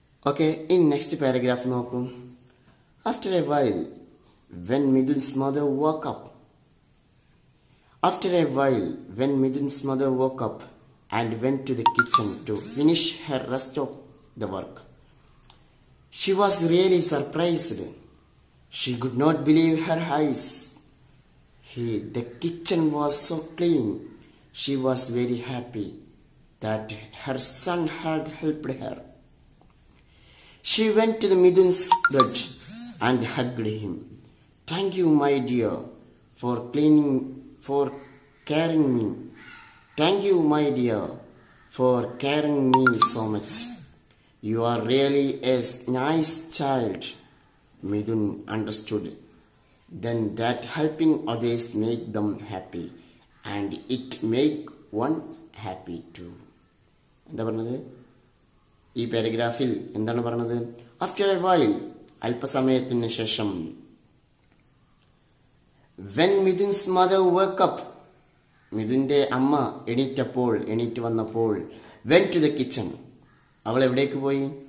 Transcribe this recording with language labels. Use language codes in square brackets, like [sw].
[en] okay, [ml] ഇനി next paragraph നോക്കൂ. [en] After a while when Mithun's mother woke up. After a while when Mithun's mother woke up and went to the kitchen to finish her rest of the work. She was really surprised. She could not believe her eyes. The kitchen was so clean. She was very happy that her son had helped her. She went to the midwife's bed and hugged him. "Thank you, my dear, for cleaning, for caring me. Thank you, my dear, for caring me so much. You are really a nice child." Midun understood then that helping others make them happy, and it make one happy too. [ml] എന്താ പറഞ്ഞത് ഈ പാരഗ്രാഫിൽ? എന്താണ് പറഞ്ഞത്? [en] after a while, [ml] അല്പസമയത്തിന് ശേഷം, [en] when Mithun's mother wake up, [ml] മിഥുൻ്റെ അമ്മ എണീറ്റപ്പോൾ, എണീറ്റ് വന്നപ്പോൾ, [en] went to the kitchen, [ml] അവൾ എവിടേക്ക് പോയി?